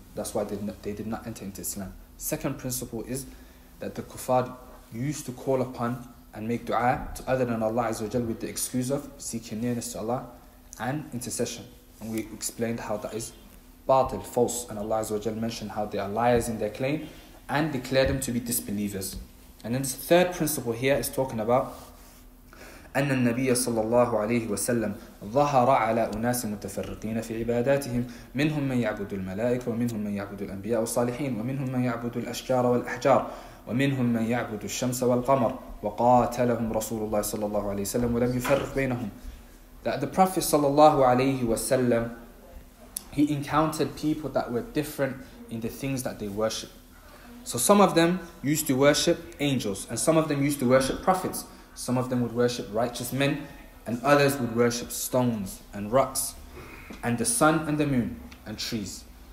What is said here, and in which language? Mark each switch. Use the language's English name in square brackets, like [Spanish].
[English] That's why they did not enter into Islam. Second principle is that the Kuffar used to call upon and make dua to other than Allah Azza wa Jal with the excuse of seeking nearness to Allah and intercession. And we explained how that is batil, false, and Allah Azza wa Jal mentioned how they are liars in their claim and declare them to be disbelievers. And then the third principle here is talking about [Arabic] أن النبي صلى الله عليه وسلم ظهر على أناس متفرقين في عباداتهم منهم من يعبد الملائكة ومنهم من يعبد الأنبياء والصالحين ومنهم من يعبد الأشجار والأحجار ومنهم من يعبد الشمس والقمر وقاتلهم رسول الله صلى الله عليه وسلم ولم يفرق بينهم. [English] That the Prophet صلى الله عليه وسلم, he encountered people that were different in the things that they worship. So some of them used to worship angels, and some of them used to worship prophets. Some of them would worship righteous men, and others would worship stones and rocks, and the sun and the moon and trees.